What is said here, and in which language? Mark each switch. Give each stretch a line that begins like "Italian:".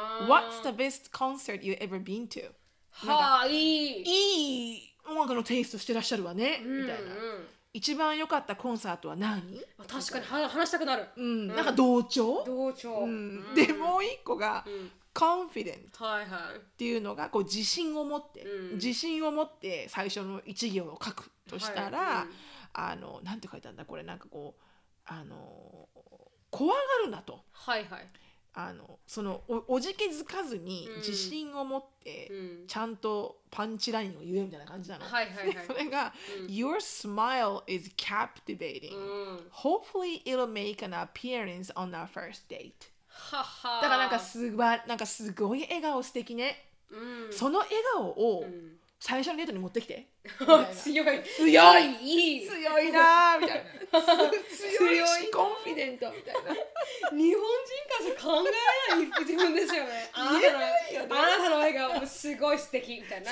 English: What's the best concert you've ever been to?
Japanese: はあ、いい、いい音楽のテイストしてらっしゃるわね、うん、みたいな、うん、一番良かったコンサートは何？確かに話したくなる、うん、なんか同調、同調、うん、で、うん、もう一個が、うん、コンフィデント、はいはい、っていうのがこう自信を持って、うん、自信を持って最初の一行を書くとしたら、はい、うん、なんて書いたんだこれ、なんかこう怖がるなと、はいはい、その おじけづかずに自信を持ってちゃんとパンチラインを言えみたいな感じなの、はいはいはい、でそれが、うん、
English: Your smile is captivating、うん、 Hopefully it'll make an appearance on our first date はは
Japanese: だからなんかすごい笑顔素敵ね、うん、その笑顔を最初のデートに持ってきて、うん、強い強い強いなーみたいな強いしコンフィデントみたいな日本人からじゃ考えない自分ですよね、 あなたの笑顔もすごい素敵みたいな、